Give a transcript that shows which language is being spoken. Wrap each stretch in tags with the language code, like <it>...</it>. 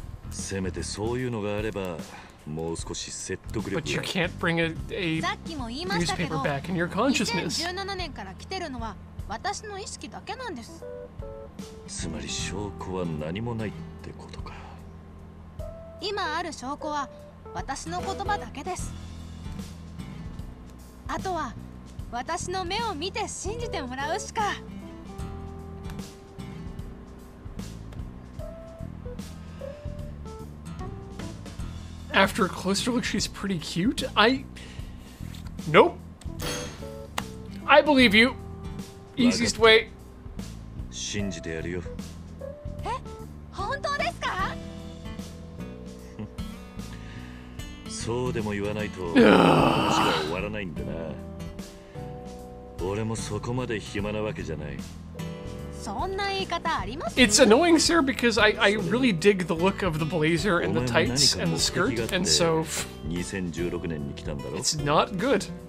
<ja>せめてそういうのがあれば、もう少し説得力。</ja> <en>But you can't bring a newspaper back in your consciousness.</en> <ja>2017年から来てるのは私の意識だけなんです。つまり証拠は何もないってことか。今ある証拠は私の言葉だけです。あとは私の目を見て信じてもらうしか。</ja> <en>After a closer look, she's pretty cute. I... Nope. I believe you. Easiest way.</en> <ja>信じてやるよ。え?本当ですか? そうでも言わないと話が終わらないんだな。俺もそこまで暇なわけじゃない。</ja> <en>It's annoying, sir, because I really dig the look of the blazer and the tights and the skirt, and so it's not good.</en>